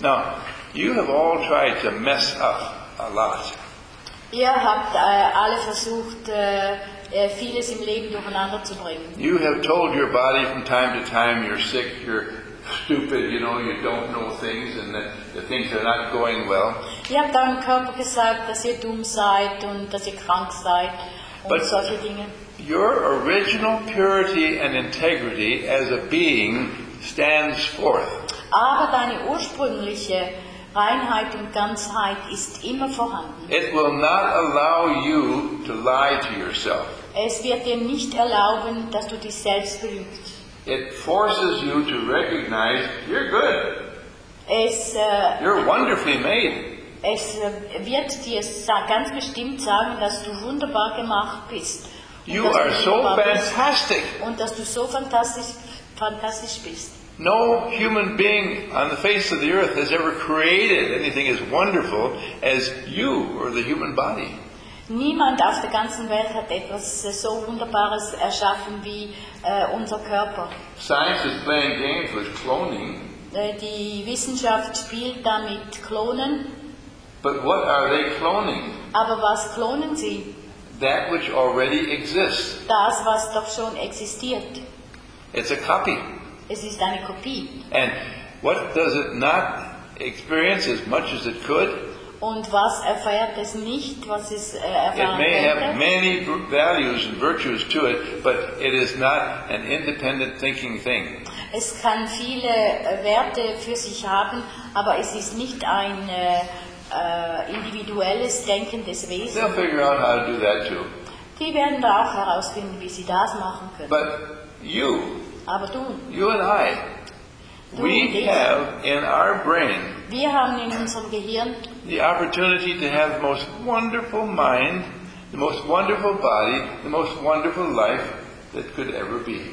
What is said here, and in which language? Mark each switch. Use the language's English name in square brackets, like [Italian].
[English] Now, you have all tried to mess up a lot. [German] Ihr habt alle versucht, vieles im Leben durcheinander zu bringen. [English] You have told your body from time to time you're sick, you're stupid, you know, you don't know things and that things are not going well. [German] Ihr habt deinem Körper gesagt, dass ihr dumm seid und dass ihr krank seid und solche Dinge. [English] Your original purity and integrity as a being stands forth. [German] Aber deine ursprüngliche Reinheit und Ganzheit ist immer vorhanden. [English] It will not allow you to lie to yourself. [German] Es wird dir nicht erlauben, dass du dich selbst belügst. [English] It forces you to recognize you're good. You're wonderfully made. [German] Es wird dir ganz bestimmt sagen, dass du wunderbar gemacht bist. [English] You are so fantastic. [German] Und dass du so fantastisch bist. [English] No human being on the face of the earth has ever created anything as wonderful as you or the human body. [German] Niemand auf der ganzen Welt hat etwas so Wunderbares erschaffen wie unser Körper. [English] Science is playing games with cloning. [German] Die Wissenschaft spielt damit Klonen. [English] But what are they cloning? [German] Aber was klonen sie? [English] That which already exists. [German] Das, was doch schon existiert. [English] It's a copy. [German] Es ist eine Kopie. [English] And what does it not experience as much as it could? [German] Und was erfährt es nicht, was es erfahren [English] It may [German] könnte? [English] Have many values and virtues to it, but it is not an independent thinking thing. [German] Es kann viele Werte für sich haben, aber es ist nicht ein individuelles denkendes Wesen. [English] They'll figure out how to do that too. [German] Die werden da auch herausfinden, wie sie das machen können. [English] But you. [German] Aber du. [English] You and I. We have in our brain [German] wir haben in unserem Gehirn [English] the opportunity to have the most wonderful mind, the most wonderful body, the most wonderful life that could ever be.